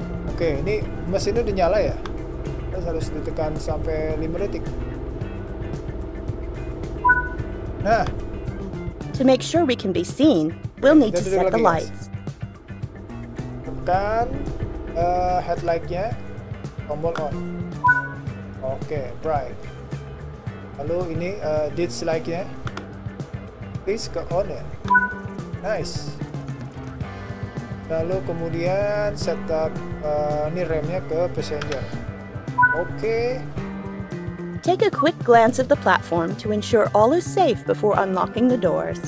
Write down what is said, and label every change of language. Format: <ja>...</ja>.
<id>Oke, ini mesinnya udah nyala ya? Terus harus ditekan sampai 5 detik. Nah.</id> <en>To make sure we can be seen, we'll need to set the lights.</en> <id>Tekan headlight-nya, tombol on. Oke, bright. Lalu ini ditch light-nya. Please ke on ya. Nice. Lalu kemudian setup ini rem-nya ke passenger. Oke.</id> <en>Take a quick glance at the platform to ensure all is safe before unlocking the doors.</en>